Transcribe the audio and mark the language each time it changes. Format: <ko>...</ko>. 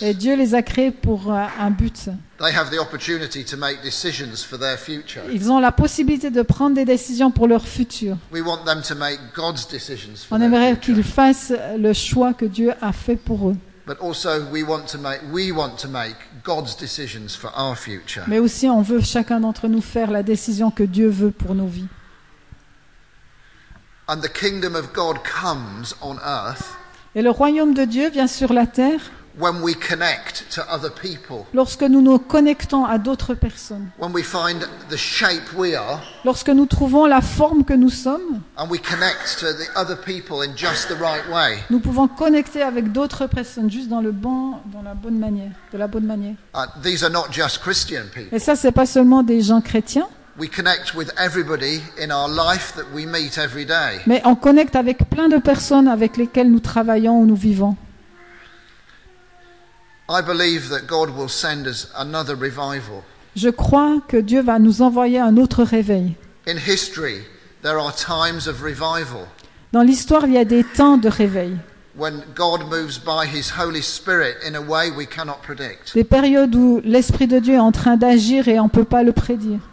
<fr>Et Dieu les a créés pour un but.</fr> <en>They have the opportunity to make decisions for their future.</en> <fr>Ils ont la possibilité de prendre des décisions pour leur futur.</fr> <en>We want them to make God's decisions for</en> <fr>On aimerait</fr> <en>their future.</en> <fr>Qu'ils fassent le choix que Dieu a fait pour eux.</fr> <en>But also we want to make God's decisions for our future.</en> <fr>Mais aussi on veut chacun d'entre nous faire la décision que Dieu veut pour nos vies.</fr> <en>And the kingdom of God comes on earth.</en> <fr>Et le royaume de Dieu vient sur la terre.</fr> <en>When we connect to other people.</en> <fr>Lorsque nous nous connectons à d'autres personnes.</fr> <en>When we find the shape we are.</en> <fr>Lorsque nous trouvons la forme que nous sommes.</fr> <en>And we connect to the other people in just the right way.</en> <fr>Nous pouvons connecter avec d'autres personnes juste dans le bon, dans la bonne manière, de la bonne manière.</fr> <en>These are not just Christian people.</en> <fr>Et ça, c'est pas seulement des gens chrétiens.</fr> <en>We connect with everybody in our life that we meet every day.</en> <fr>Mais on connecte avec plein de personnes avec lesquelles nous travaillons ou nous vivons.</fr> <en>I believe that God will send us another revival.</en> <fr>Je crois que Dieu va nous envoyer un autre réveil.</fr> <en>In history, there are times of revival.</en> <fr>Dans l'histoire, il y a des temps de réveil.</fr> <en>When God moves by His Holy Spirit in a way we cannot predict.</en> <fr>Des périodes où l'Esprit de Dieu est en train d'agir et on peut pas le prédire.</fr>